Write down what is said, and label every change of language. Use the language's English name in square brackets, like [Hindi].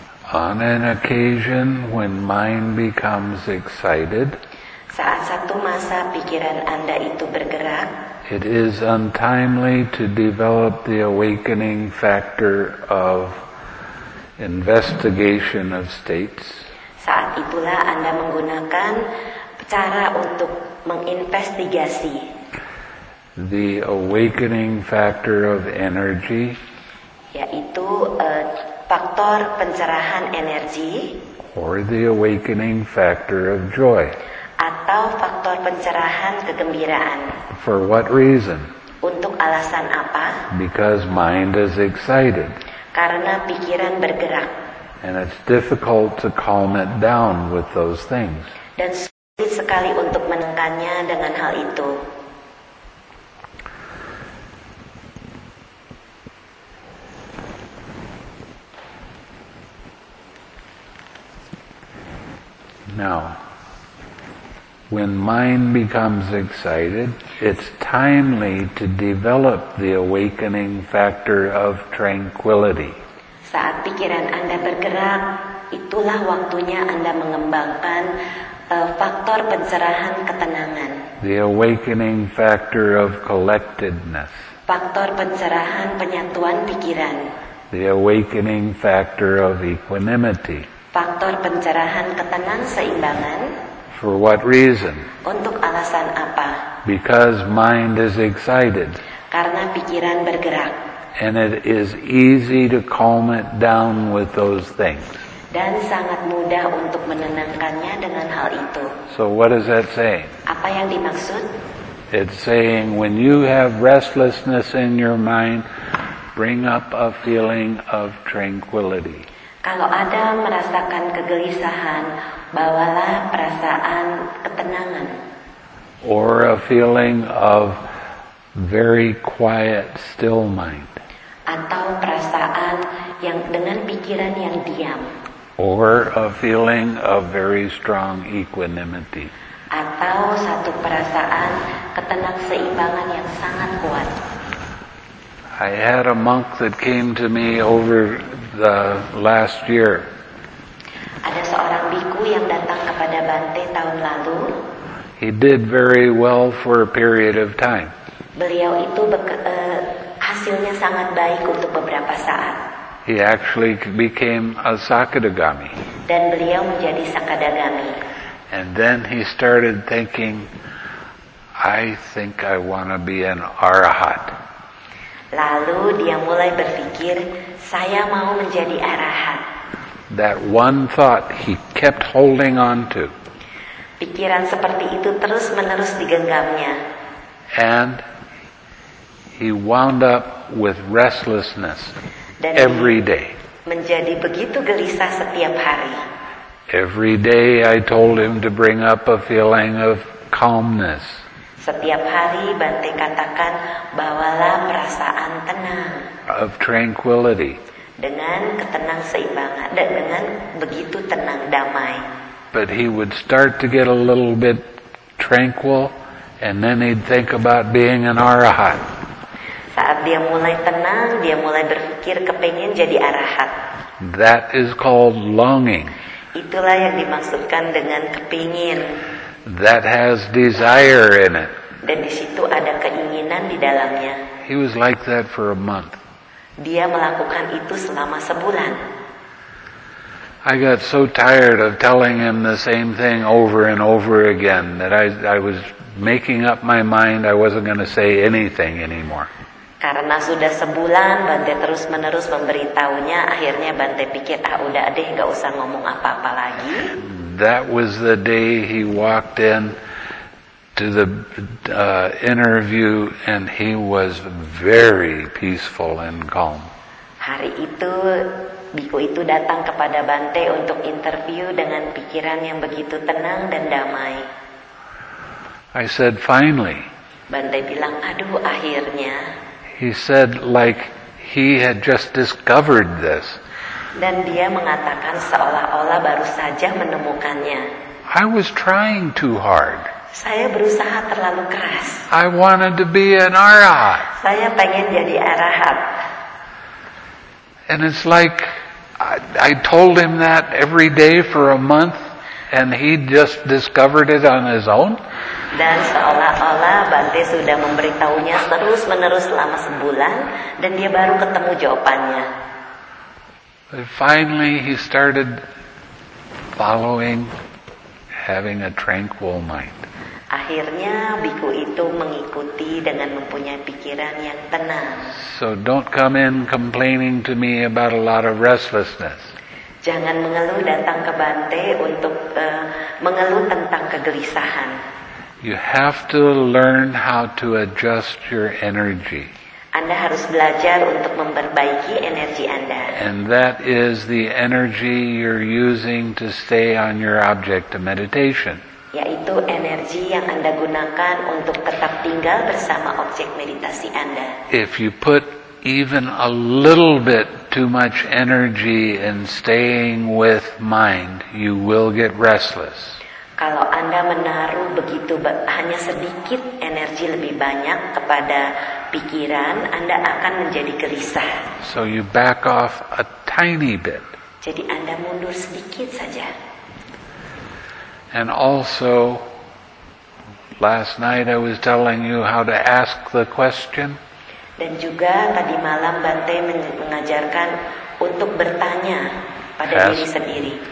[English] On an occasion when mind becomes excited, [Indonesian] saat satu masa pikiran Anda itu bergerak, [English] it is untimely to develop the awakening factor of investigation of states. [Indonesian] Saat itulah Anda menggunakan cara untuk menginvestigasi. [English] The awakening factor of energy. [Indonesian] Yaitu faktor pencerahan energi. [English] Or the awakening factor of joy. [Indonesian] Atau faktor pencerahan kegembiraan. [English] For what reason? [Indonesian] Untuk alasan apa? [English] Because mind is excited. [Indonesian] Karena pikiran bergerak. [English] And it's difficult to calm it down with those things. [Indonesian] Dan sulit sekali untuk menekannya dengan hal itu. [English] Now, when mind becomes excited, it's timely to develop the awakening factor of tranquility. [Indonesian] Saat pikiran Anda bergerak, itulah waktunya Anda mengembangkan faktor pencerahan ketenangan. [English] The awakening factor of collectedness. [Indonesian] Faktor pencerahan penyatuan pikiran. [English] The awakening factor of equanimity. [Indonesian] Faktor pencerahan ketenangan seimbangan. [English] For what reason? [Indonesian] Untuk alasan apa? [English] Because mind is excited. [Indonesian] Karena pikiran bergerak. [English] And it is easy to calm it down with those things. [Indonesian] Dan sangat mudah untuk menenangkannya dengan hal itu. [English] So what is that saying? [Indonesian] Apa yang dimaksud? [English] It's saying when you have restlessness in your mind, bring up a feeling of tranquility. [Indonesian] Kalau ada merasakan kegelisahan, bawalah perasaan ketenangan. [English] Or a feeling of very quiet, still mind. [Indonesian] Atau perasaan yang dengan pikiran yang diam. [English] Or a feeling of very strong equanimity. [Indonesian] Atau satu perasaan ketenang seimbangan yang sangat kuat. [English] I had a monk that came to me over the last year. [Indonesian] Ada seorang biku yang datang kepada Bante tahun lalu. [English] He did very well for a period of time. [Indonesian] Beliau itu hasilnya sangat baik untuk beberapa saat. [English] He actually became a Sakadagami. [Indonesian] Dan beliau menjadi Sakadagami. [English] And then he started thinking, I think I want to be an Arahat. [Indonesian] Lalu dia mulai berpikir, saya mau menjadi arahat. [English] That one thought he kept holding on to. [Indonesian] Pikiran seperti itu terus-menerus digenggamnya. [English] And he wound up with restlessness [Indonesian] dan [English] every day. [Indonesian] Menjadi begitu gelisah setiap hari. [English] Every day I told him to bring up a feeling of calmness. [Indonesian] Setiap hari Bante katakan bawalah perasaan tenang. [English] Of tranquility. [Indonesian] Dengan ketenang seimbangan dan dengan begitu tenang damai. [English] But he would start to get a little bit tranquil and then he'd think about being an arahat. [Indonesian] Saat dia mulai tenang, dia mulai berpikir kepengen jadi arahat. [English] That is called longing. [Indonesian] Itulah yang dimaksudkan dengan kepingin. [English] That has desire in it. [Indonesian] Dan di situ ada keinginan di dalamnya. [English] He was like that for a month. [Indonesian] Dia melakukan itu selama sebulan. [English] I got so tired of telling him the same thing over and over again that I was making up my mind I wasn't going to say anything anymore. [Indonesian] Karena sudah sebulan Bante terus-menerus memberitahunya, akhirnya Bante pikir ah udah deh, enggak usah ngomong apa-apa lagi. [English] That was the day he walked in to the interview and he was very peaceful and calm. [Indonesian] Hari itu biku itu datang kepada Bante untuk interview dengan pikiran yang begitu tenang dan damai. [English] I said finally. [Indonesian] Bante bilang, aduh akhirnya. [English] He said like he had just discovered this. [Indonesian] Dan dia mengatakan seolah-olah baru saja menemukannya. [English] I was trying too hard. [Indonesian] Saya berusaha terlalu keras. [English] I wanted to be an arahat. [Indonesian] Saya pengen jadi arahat. [English] And it's like I told him that every day for a month and he just discovered it on his own. [Indonesian] Dan seolah-olah Bante sudah memberitahunya terus-menerus selama sebulan dan dia baru ketemu jawabannya. [English] But finally he started following, having a tranquil mind. [Indonesian] Akhirnya biku itu mengikuti dengan mempunyai pikiran yang tenang. [English] So don't come in complaining to me about a lot of restlessness. [Indonesian] Jangan mengeluh datang ke Bante untuk mengeluh tentang kegelisahan. [English] You have to learn how to adjust your energy. [Indonesian] Anda harus belajar untuk memperbaiki energi Anda. [English] And that is the energy you're using to stay on your object of meditation. [Indonesian] Yaitu energi yang Anda gunakan untuk tetap tinggal bersama objek meditasi Anda. [English] If you put even a little bit too much energy in staying with mind, you will get restless. [Indonesian] Kalau Anda menaruh begitu hanya sedikit energi lebih banyak kepada pikiran, Anda akan menjadi gelisah. [English] So you back off a tiny bit. [Indonesian] Jadi Anda mundur sedikit saja. [English] And also, last night I was telling you how to ask the question. [Indonesian] Dan juga tadi malam Bante mengajarkan untuk bertanya pada diri sendiri.